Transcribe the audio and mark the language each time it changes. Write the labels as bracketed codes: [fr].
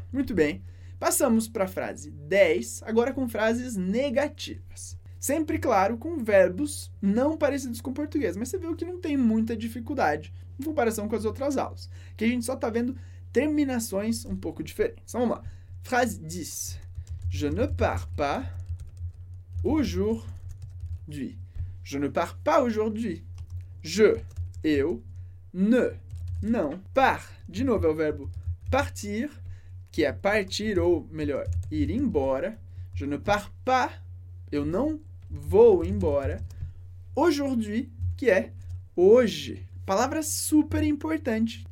[pt] Muito bem. Passamos para a frase 10, agora com frases negativas. Sempre, claro, com verbos não parecidos com o português. Mas você viu que não tem muita dificuldade em comparação com as outras aulas. Que a gente só está vendo terminações um pouco diferentes. Vamos lá. Frase 10. [fr] Je ne pars pas aujourd'hui. Je ne pars pas aujourd'hui. [pt] Je, eu, ne, não. Par, de novo, é o verbo partir, que é partir, ou melhor, ir embora. [fr] Je ne pars pas, [pt] eu não vou embora. Aujourd'hui, que é hoje. Palavra super importante.